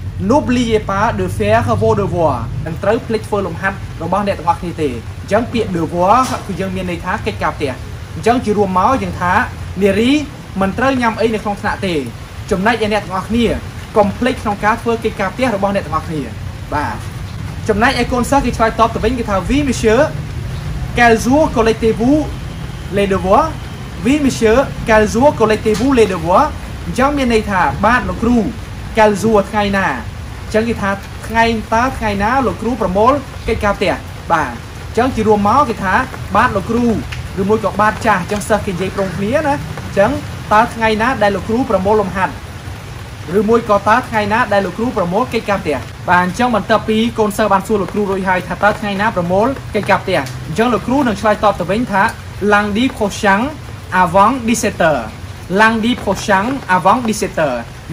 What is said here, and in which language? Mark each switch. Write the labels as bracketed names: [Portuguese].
[Khmer] ណូប្លីយេប៉ាឌឺហ្វែរវ៉ូឌឺវ័រមិនត្រូវភ្លេចធ្វើលំហាត់របស់អ្នកទាំងអស់គ្នាទេអញ្ចឹងពាក្យឌឺវ័រគឺយើងមានន័យថាកិច្ចការផ្ទះអញ្ចឹងជារួមមកយើងថានារីមិនត្រូវញ៉ាំអីនៅក្នុងថ្នាក់ទេចំណែកឯអ្នកទាំងអស់គ្នាcomplete ក្នុងការធ្វើកិច្ចការផ្ទះរបស់អ្នកទាំងអស់គ្នាបាទចំណែកឯកូនសិស្សគេឆ្លើយតបទៅវិញគេថា [French] "Oui monsieur, quel jour collectez-vous les devoirs?" "Oui monsieur, quel jour collectez-vous les devoirs?" [Khmer] អញ្ចឹងមានន័យថាបាទលោកគ្រូ [French] "Quel jour [Khmer] ថ្ងៃណា?" អញ្ចឹងគេថាថ្ងៃតើថ្ងៃណាលោកគ្រូប្រមូលកិច្ចការផ្ទះបាទអញ្ចឹងជារួមមកគេថាបាទលោកគ្រូឬមួយក៏បាទចាស់អញ្ចឹងសិស្សគេនិយាយប្រងគ្នាណាអញ្ចឹងតើថ្ងៃណាដែលលោកគ្រូប្រមូលលំហាត់ឬមួយក៏តើថ្ងៃណាដែលលោកគ្រូប្រមូលកិច្ចការផ្ទះបាទអញ្ចឹងបន្ទាប់ពីកូនសិស្សបានសួរលោកគ្រូរួចហើយថាតើថ្ងៃណាប្រមូលកិច្ចការផ្ទះអញ្ចឹងលោកគ្រូនឹងឆ្លើយតបទៅវិញថា [French] Lundi prochain avant 17h [Khmer] Lundi prochain avant 17h